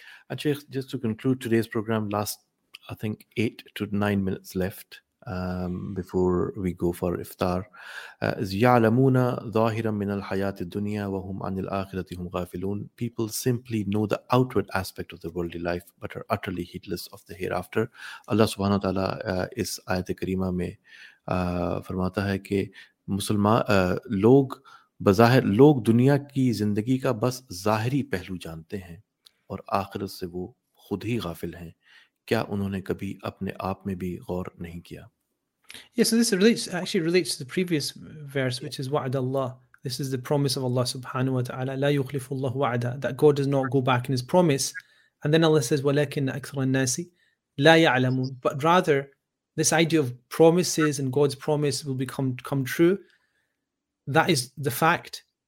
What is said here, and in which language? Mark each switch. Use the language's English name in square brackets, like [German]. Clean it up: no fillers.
[English] And Sheikh, just to conclude today's program, last, I think, 8 to 9 minutes left before we go for iftar. [Arabic] يَعْلَمُونَ ظَاهِرًا مِّنَ الْحَيَاةِ الدُّنْيَا وَهُمْ عَنِ الْآخِرَةِ هُمْ غَافِلُونَ. [English] People simply know the outward aspect of the worldly life but are utterly heedless of the hereafter. Allah subhanahu wa ta'ala is [Urdu] آیت کریمہ میں فرماتا ہے کہ مسلمان لوگ بظاہر لوگ دنیا کی زندگی کا بس ظاہری پہلو جانتے ہیں اور آخرت سے وہ خود ہی غافل ہیں. کیا انہوں نے کبھی اپنے آپ میں بھی غور نہیں کیا؟ [English] Yes, so this relates to the previous verse, which is [Arabic] وَعَدَ اللَّهِ. [English] This is the promise of Allah subhanahu wa ta'ala. [Arabic] لَا يُخْلِفُ اللَّهُ وَعَدَ. [English] That God does not go back in his promise. And then Allah says [Arabic] وَلَكِنَّ أَكْثَرَ النَّاسِ لَا يَعْلَمُونَ. [English] But rather, this idea of promises and God's promise will become true. That is the fact.